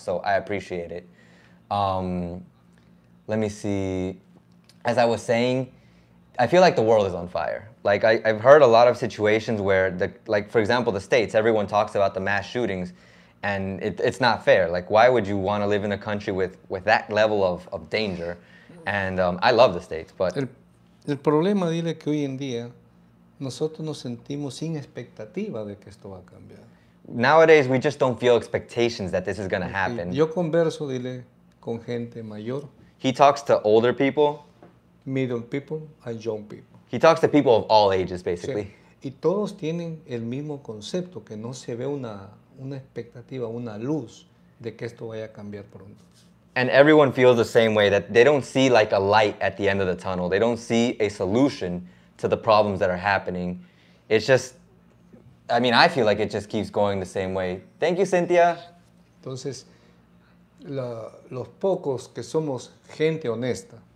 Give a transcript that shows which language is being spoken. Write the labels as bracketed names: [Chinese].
[English] So I appreciate it. Let me see, as I was saying, I feel like the world is on fire. Like I've heard a lot of situations where for example, the States, everyone talks about the mass shootings and it's not fair. Like, why would you want to live in a country with that level of danger? And I love the States, but. [Spanish] El problema, dile que hoy en día, nosotros nos sentimos sin expectativa de que esto va a cambiar. [English] Nowadays, we just don't feel expectations that this is going to happen. [Spanish] Yo converso, dile, con gente mayor. [English] He talks to older people. Middle people and young people. He talks to people of all ages, basically. [Spanish] Sí. Y todos tienen el mismo concepto, que no se ve una expectativa, una luz de que esto vaya a cambiar pronto. [English] And everyone feels the same way, that they don't see like a light at the end of the tunnel. They don't see a solution to the problems that are happening. It's just, I mean, I feel like it just keeps going the same way. Thank you, Cynthia. [Spanish] Entonces, los pocos que somos gente honesta,